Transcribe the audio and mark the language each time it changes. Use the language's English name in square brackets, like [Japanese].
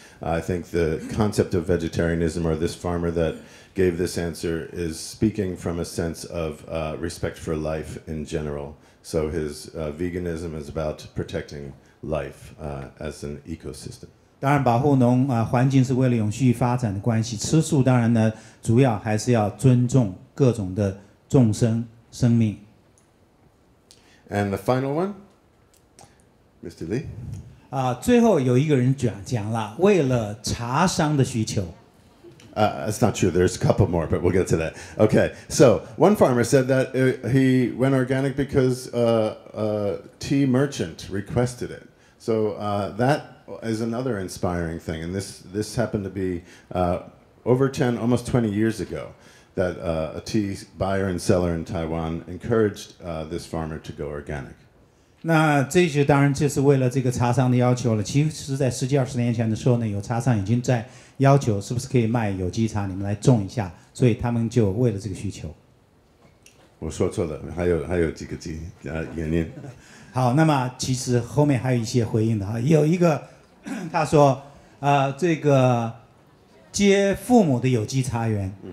[English] I think the concept of vegetarianism, or this farmer that gave this answer, is speaking from a sense of respect for life in general. So his veganism is about protecting life as an ecosystem. [Chinese] 当然，保护农环境是为了永续发展的关系。吃素当然呢，主要还是要尊重各种的众生，生命。 [English] And the final one, Mr. Lee. [Chinese] 啊，最后有一个人讲了，为了茶商的需求。 [English] That's not true. There's a couple more, but we'll get to that. Okay, so one farmer said that he went organic because a tea merchant requested it. So that is another inspiring thing. And this happened to be over 10, almost 20 years ago, that a tea buyer and seller in Taiwan encouraged this farmer to go organic. [Chinese] 那这些当然就是为了这个茶商的要求了。其实在十几二十年前的时候呢，有茶商已经在要求是不是可以卖有机茶，你们来种一下，所以他们就为了这个需求。我说错了，还有几个鸡原因。好，那么其实后面还有一些回应的哈，有一个他说，这个接父母的有机茶园，